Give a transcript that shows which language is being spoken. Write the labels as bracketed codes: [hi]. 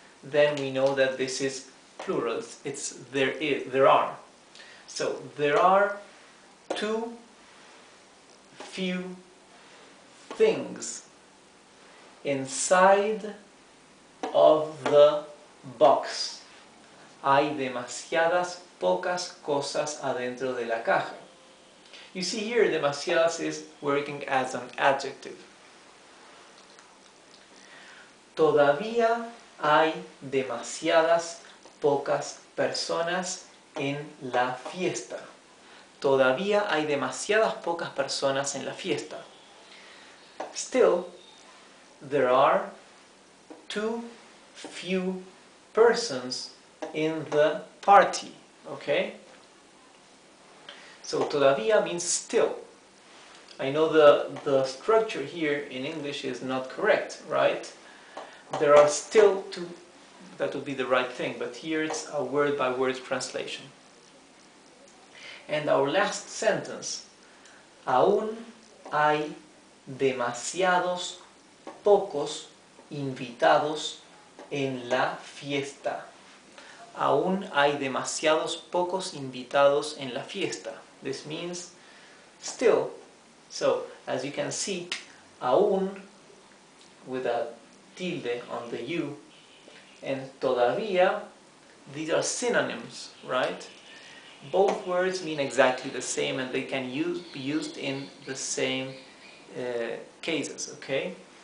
[en] Then we know that this is plural, it's there is, there are. So there are too few things inside of the box. [es] Hay demasiadas pocas cosas adentro de la caja. [en] You see here, demasiadas is working as an adjective. [es] Todavía hay demasiadas pocas personas en la fiesta. Todavía hay demasiadas pocas personas en la fiesta. [en] Still, there are too few persons in the party, okay? So, todavía means still. I know the structure here in English is not correct, right? There are still too, that would be the right thing, but here it's a word-by-word translation. And our last sentence, [es] aún hay demasiados pocos invitados en la fiesta. Aún hay demasiados pocos invitados en la fiesta. [en] This means still. So, as you can see, aún, with a tilde on the U, and todavía, these are synonyms, right? Both words mean exactly the same and they can be used in the same cases, okay?